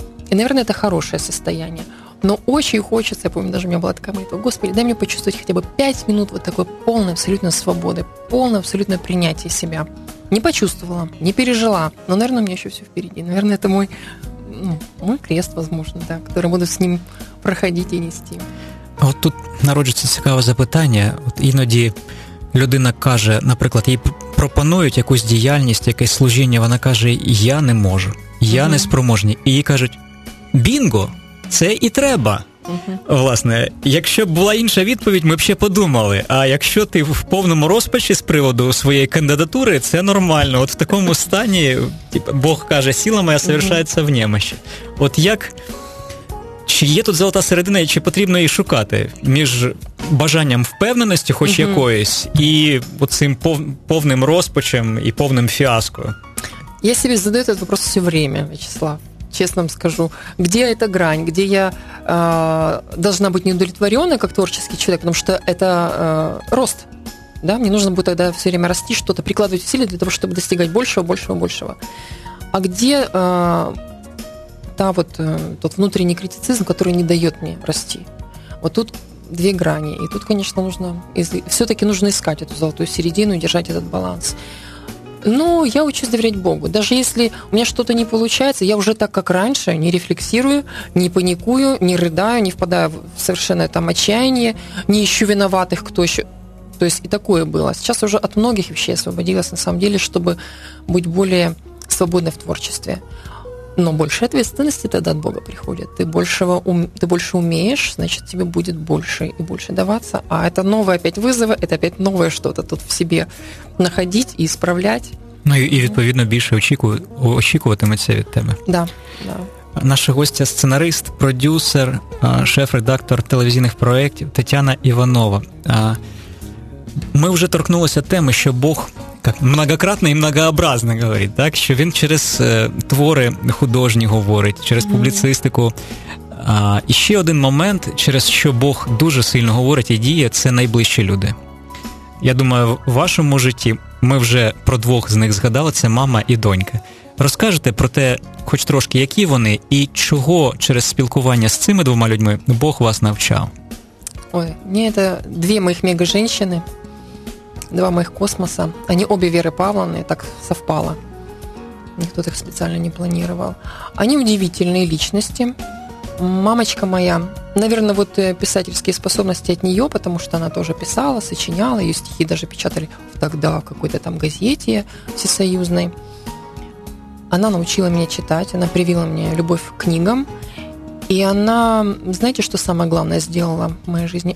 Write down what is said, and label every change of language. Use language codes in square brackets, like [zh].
[ru] И, наверное, это хорошее состояние. Но очень хочется, я помню, даже у меня была такая молитва, Господи, дай мне почувствовать хотя бы 5 минут вот такой полной абсолютно свободы, полное абсолютно принятие себя. Не почувствовала, не пережила, но, наверное, у меня еще все впереди. Наверное, это мой, ну, мой крест, возможно, да, который буду с ним проходить и нести. [uk] От тут народжується цікаве запитання. От іноді людина каже, наприклад, їй пропонують якусь діяльність, якесь служіння, вона каже, я не можу, я не спроможний. І їй кажуть, бінго, це і треба. Власне, якщо б була інша відповідь, ми б ще подумали. А якщо ти в повному розпачі з приводу своєї кандидатури, це нормально. От в такому стані, типу, Бог каже, сила моя совершається в немощі. От як, чи є тут золота середина, і чи потрібно її шукати між бажанням впевненості хоч якоїсь і оцим повним розпачем і повним фіаско? Я собі задаю цей питання [ru] все время, [uk] В'ячеслав. [ru] Честно вам скажу, где эта грань, где я должна быть неудовлетворённой как творческий человек, потому что это рост. Да? Мне нужно будет тогда все время расти, что-то прикладывать усилия для того, чтобы достигать большего, большего, большего. А где тот внутренний критицизм, который не дает мне расти? Вот тут две грани. И тут, конечно, нужно все-таки нужно искать эту золотую середину и держать этот баланс. Ну, я учусь доверять Богу. Даже если у меня что-то не получается, я уже так, как раньше, не рефлексирую, не паникую, не рыдаю, не впадаю в совершенное там отчаяние, не ищу виноватых, кто еще. То есть и такое было. Сейчас уже от многих вещей освободилась, на самом деле, чтобы быть более свободны в творчестве. Но больше ответственности тогда от Бога приходит. Ты больше умеешь, значит, тебе будет больше и больше даваться. А это новые опять вызовы, это опять новое что-то тут в себе находить и исправлять. [uk] Ну і відповідно більше очікуватиметься від тебе. [ru] Да, да. [uk] Наша гостя – сценарист, продюсер, шеф-редактор телевізійних проєктів Тетяна Іванова. Ми вже торкнулися теми, що Бог [ru] многократно і многообразно [uk] говорить, так? Що він через твори художні говорить, через публіцистику. І ще один момент, через що Бог дуже сильно говорить і діє – це найближчі люди. Я думаю, в вашому житті ми вже про двох з них згадали, це мама і донька. Розкажете про те, хоч трошки, які вони, і чого через спілкування з цими двома людьми Бог вас навчав? Ой, ні, це дві моїх мега-женщини, два моїх космоса. Вони обі Віри Павловни, [ru] так совпало. [uk] Ніхто їх спеціально не планував. Вони [ru] удивительні личності. Мамочка моя, наверное, вот писательские способности от нее, потому что она тоже писала, сочиняла, ее стихи даже печатали в тогда какой-то там газете всесоюзной. Она научила меня читать, она привила мне любовь к книгам. И она, знаете, что самое главное сделала в моей жизни?